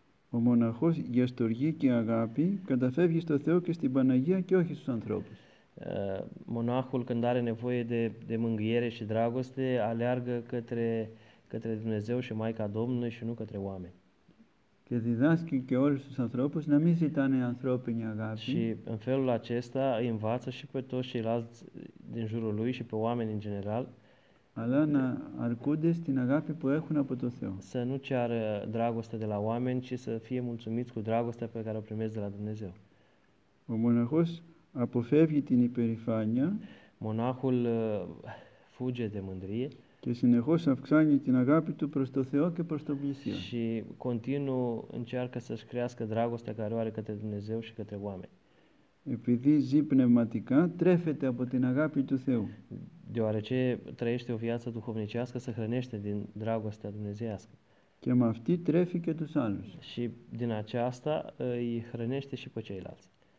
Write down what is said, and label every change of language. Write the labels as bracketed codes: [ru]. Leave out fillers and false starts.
[el] Ο μοναχός για στοργή και αγάπη καταφεύγει στο Θεό και στην Παναγία και όχι στους ανθρώπους. [ro] Monahul, când are nevoie de mânghiere și dragoste, aleargă către Dumnezeu și Maica Domnului și nu către oameni. [el] Και διδάσκει και όλους τους ανθρώπους να μην ζητάνε ανθρώπινη [ro] Și [el] αγάπη. [ro] în felul acesta îi învață și pe toți ceilalți din jurul lui și pe oameni în general [el] Αλλά να αρκούνται στην αγάπη που έχουν από το Θεό. [ro] să nu ceară dragoste de la oameni, ci să fie mulțumiți cu dragostea pe care o primesc de la Dumnezeu. [el] Ο μοναχός αποφεύγει την υπερηφάνεια [ro] Monahul fuge de mândrie [el] και συνεχώς αυξάνει την αγάπη του προς το Θεό και προς τον πλησίον. [ro] și continuu încearcă să-și crească dragostea care o are către Dumnezeu și către oameni. [el] Επειδή ζει πνευματικά, τρέφεται από την αγάπη του Θεού. [ro] Deoarece trăiește o viață duhovnicească, se hrănește din dragostea dumnezeiască. [el] Και με αυτή τρέφει και τους άλλους. [ro] Și din aceasta îi hrănește și pe ceilalți.